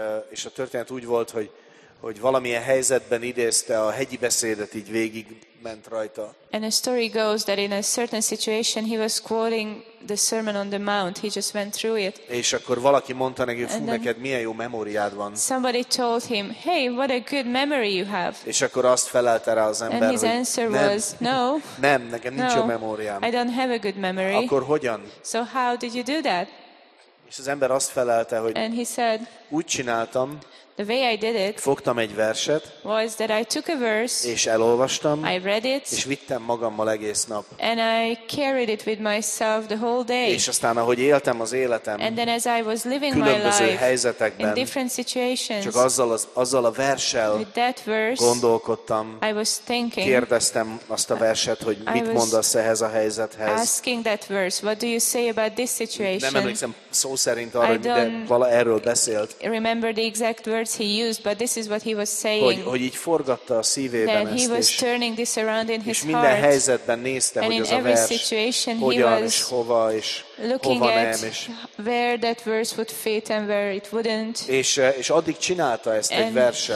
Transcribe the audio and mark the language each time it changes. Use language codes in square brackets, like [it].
[hu] És a történet úgy volt, hogy valamilyen helyzetben idézte a hegyi beszédet, így végig ment rajta. [en] And the story goes that in a certain situation he was quoting the Sermon on the Mount, he just went through it. [hu] És akkor valaki mondta neki, fú, neked milyen jó memóriád van. [en] Somebody told him, hey, what a good memory you have. [hu] És akkor azt felelte rá az ember, [en] and his answer was, no. [hu] Nem, nekem nincs jó memóriám. [en] I don't have a good memory. [hu] Akkor hogyan? [en] So how did you do that? [hu] És az ember azt felelte, hogy [en] and he said, [hu] úgy csináltam, [en] the way I did it, [hu] fogtam egy verset, [en] was that I took a verse, [hu] és elolvastam, [en] I read it, [hu] és vittem magammal egész nap. [en] And I carried it with myself the whole day. [hu] És aztán, ahogy éltem az életem, [en] and then as I was living my life, [hu] különböző helyzetekben, [en] in different situations, [hu] csak azzal a verssel, [en] with that verse, [hu] gondolkodtam, [en] I was thinking, [hu] kérdeztem azt a verset, hogy mit mondasz ehhez a helyzethez. [en] Asking that verse, what do you say about this situation? [hu] Nem emlékszem szó szerint arra, hogy de vala erről beszélt. [en] Remember the exact verse he used, but this is what he was saying. [hu] Hogy így forgatta a szívében ezt, [en] he was turning this around in his heart. [hu] És minden helyzetben nézte, hogy az a vers hogyan és hova és [en] looking [hu] hova [en] at [hu] nem is. [en] Where that verse would fit and where it wouldn't. [hu] És addig csinálta ezt egy verssel.